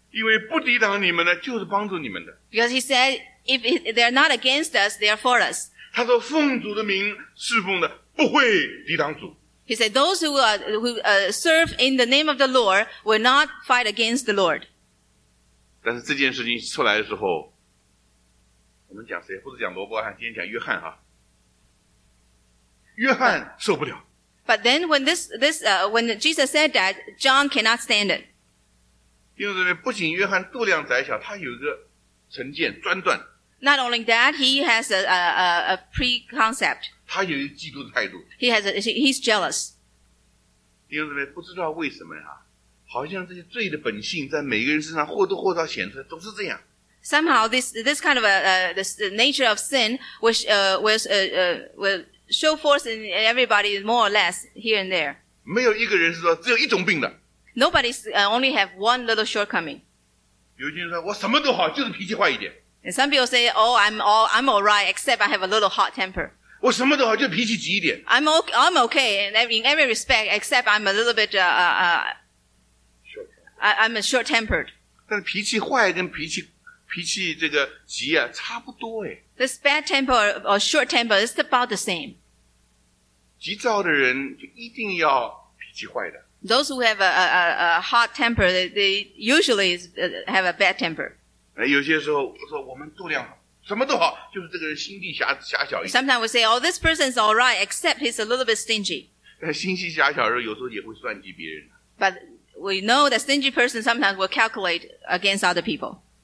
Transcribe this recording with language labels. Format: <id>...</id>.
<zh>因为不抵挡你们呢, 就是帮助你们的。</zh> <en>Because he said, if they're not against us, they're for us.</en> <zh>他说, 奉主的名侍奉的, 不会抵挡主。</zh> <en>He said, those who serve in the name of the Lord will not fight against the Lord.</en> <zh>但是这件事情出来的时候, 我们讲谁, 不是讲罗伯汉, 今天讲约翰啊, 约翰受不了。</zh> <en>But then when when Jesus said that, John cannot stand it.</en> <zh>因为不仅约翰度量窄小,他有一个成见,专断。</zh> <en>Not only that, he has a pre-concept.</en> <zh>他有一个嫉妒的态度。</zh> <en>He's jealous.</en> <zh>因为不知道为什么呀,好像这些罪的本性在每个人身上或多或少显出来,总是这样。</zh> <en>Somehow this kind of the nature of sin, which was show force in everybody more or less here and there.</en> <zh>没有一个人是说只有一种病的。</zh> <en>Nobody's only have one little shortcoming.</en> <zh>有些人说我什么都好，就是脾气坏一点。</zh> <en>And some people say, "Oh, I'm all right, except I have a little hot temper."</en> <zh>我什么都好，就脾气急一点。</zh> <en>I'm okay in every respect, except I'm a little bit I'm a short tempered.</en> <zh>但脾气坏跟脾气这个急啊，差不多哎。</zh> <en>This bad temper or short temper is about the same.</en> <zh>急躁的人就一定要脾气坏的。</zh> <en>Those who have a hot temper, they usually have a bad temper.</en> <zh>有些时候我说我们度量什么都好，就是这个人心地狭小一点。</zh> <en>Sometimes we say, "Oh, this person is all right, except he's a little bit stingy."</en> <zh>但心地狭小的时候，有时候也会算计别人。</zh> <en>But we know that stingy person sometimes will calculate against other people.</en>